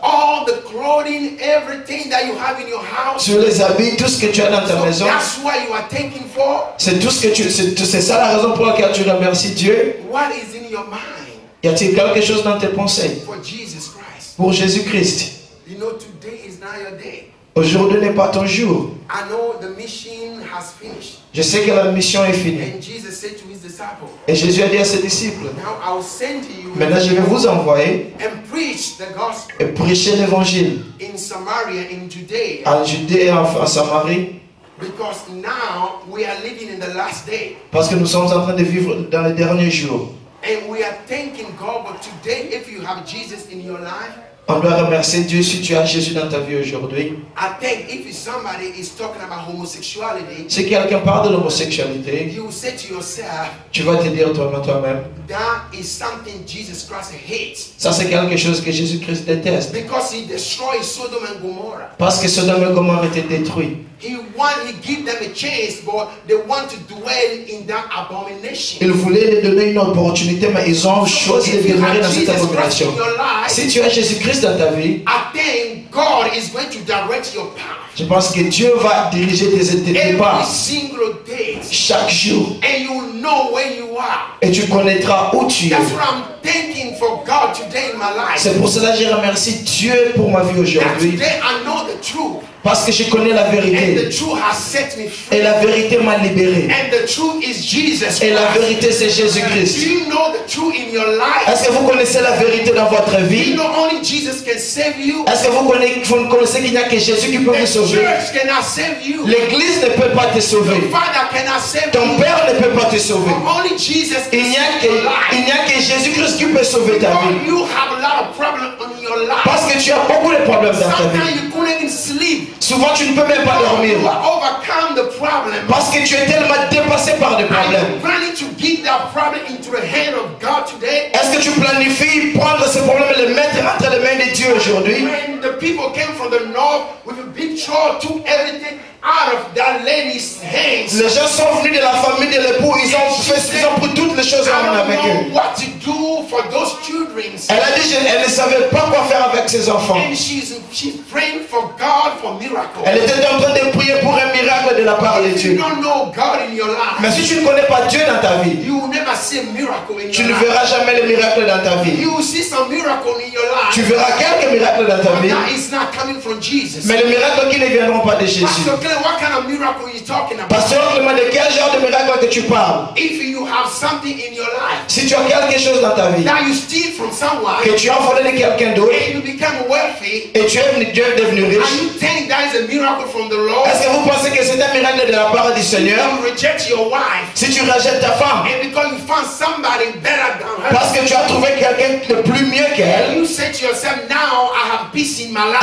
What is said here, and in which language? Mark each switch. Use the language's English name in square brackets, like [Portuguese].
[English] All the clothing, everything that you have in your house. [French] Sur les habits, tout ce que tu as dans ta maison. [English] That's what you are thanking for. [French] C'est tout ce que tu. C'est ça la raison pour laquelle tu remercies Dieu. [English] What is in your mind? [French] Y a-t-il quelque chose dans tes pensées? [English] For Jesus Christ. [French] Pour Jésus-Christ. [English] You know, today is not your day. [French] Aujourd'hui n'est pas ton jour. [English] I know the mission has finished. [French] Je sais que la mission est finie. [English] And Jesus said to his disciples, [French] et Jésus a dit à ses disciples, [English] now I'll send you, [French] maintenant je vais vous envoyer [English] and preach the gospel, [French] et prêcher l'évangile [English] in Samaria, in Judea, [French] en Judée et en Samarie. [English] Because now we are living in the last day. [French] Parce que nous sommes en train de vivre dans les derniers jours. [English] And we are thanking God, but today if you have Jesus in your life, [French] on doit remercier Dieu si tu as Jésus dans ta vie aujourd'hui. [English] I think if somebody is talking about homosexuality, [French] si quelqu'un parle de l'homosexualité, [English] you will say to yourself, [French] tu vas te dire toi-même, [English] that is something Jesus Christ hates. [French] Ça, c'est quelque chose que Jésus-Christ déteste. [English] Because he destroyed Sodom and Gomorrah. [French] Parce que Sodome et Gomorrah étaient détruits. [English] He give them a chance, but they want to dwell in that abomination. [French] Il voulait leur donner une opportunité, mais ils ont choisi de demeurer dans [English] Jesus [French] cette abomination. [English] Life, [French] si tu as Jésus-Christ dans ta vie, [English] I think God is going to direct your path. [French] Je pense que Dieu va diriger tes pas chaque jour. [English] And you know where you are. [French] Et tu connaîtras où tu es. [English] That's what I'm thanking for God today in my life. [French] C'est pour cela que je remercie Dieu pour ma vie aujourd'hui. [English] That today I know the truth. [French] Parce que je connais la vérité. [English] And the truth has set me free. [French] Et la vérité m'a libéré. [English] And the truth is Jesus Christ. [French] Et la vérité, c'est Jésus-Christ. [English] Do you know the truth in your life? [French] Est-ce que vous connaissez la vérité dans votre vie? [English] You know only Jesus can save you? [French] Est-ce que vous connaissez qu'il n'y a que Jésus qui peut vous sauver? [English] The church cannot save you. [French] L'église ne peut pas te sauver. [English] The Father cannot save [French] ton [English] you. [French] Père ne peut pas te sauver. [English] Only Jesus can [French] Il n'y a que Jésus-Christ qui peut sauver ta vie. [English] You have a lot of problems in your life. [French] Parce que tu as beaucoup de problèmes dans [English] sometimes [French] ta vie. [English] You couldn't even sleep. [French] Souvent, tu ne peux même pas dormir. [English] Overcome the problem. [French] Parce que tu es tellement dépassé par le problème. [English] Are you planning to give that problem into the hand of God today? [French] Est-ce que tu planifies prendre ce problème et le mettre entre les mains de Dieu aujourd'hui? [English] When the people came from the north with a big chore, took everything out of that lady's hands. [French] Les gens sont venus de la famille de l'époux. Ils ont pris toutes les choses en main avec eux. [English] What to do for those children? [French] Elle a dit qu'elle ne savait pas quoi faire avec ses enfants. [English] And she's praying for God for miracles. [French] Elle était en train de prier pour un miracle de la part de Dieu. [English] You don't know God in your life. [French] Mais si tu ne connais pas Dieu dans ta vie, [English] you will never see a miracle in [French] tu [English] your [French] ne verras [English] life. [French] Jamais le miracle dans ta vie. [English] You will see some miracle in your life. [French] Tu verras quelques miracles dans ta [English] but [French] vie. [English] That is not coming from Jesus. [French] Mais les miracles qui ne viendront pas de Jésus. [English] What kind of miracle are you talking about? [French] Pasteur, demande quel genre de miracle que tu parles. [English] If you have something in your life, [French] si tu as quelque chose dans ta vie, [English] that you steal from someone, [French] que tu as volé de quelqu'un d'autre, [English] and you become wealthy, [French] et tu es devenu riche, [English] and you think that is a miracle from the Lord, [French] est-ce que vous pensez que c'est un miracle de la part du Seigneur? [English] If you reject your wife, [French] si tu rejettes ta femme, [English] and because you found somebody better than her, [French] parce que tu as trouvé quelqu'un de plus mieux qu'elle, [English] and you say to yourself, now I have peace in my life.